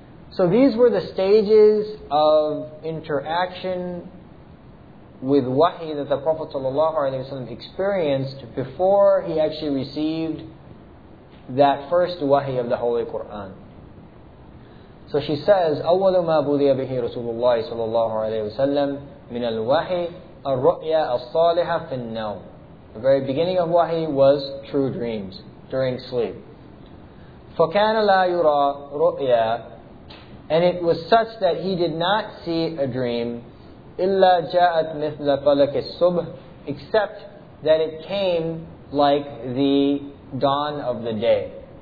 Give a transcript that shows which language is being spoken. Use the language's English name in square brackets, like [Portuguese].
[English] So these were the stages of interaction with wahi that the Prophet ﷺ experienced before he actually received that first wahi of the Holy Qur'an. So she says, [Arabic] أَوَّلُ مَا بُدِيَ بِهِ رَسُولُ اللَّهِ صَلَى اللَّهُ عَلَيْهِ وَسَلَّمُ مِنَ الْوَحِي الرُّؤْيَا الصَّالِحَ فِي النَّوْمِ. [English] The very beginning of wahi was true dreams during sleep. [Arabic] فَكَانَ لَا يُرَى رُؤْيَا, [English] and it was such that he did not see a dream, [Arabic] إِلَّا جَاءَتْ مِثْلَ فَلَكِ الصُّبْحِ, [English] except that it came like the dawn of the day.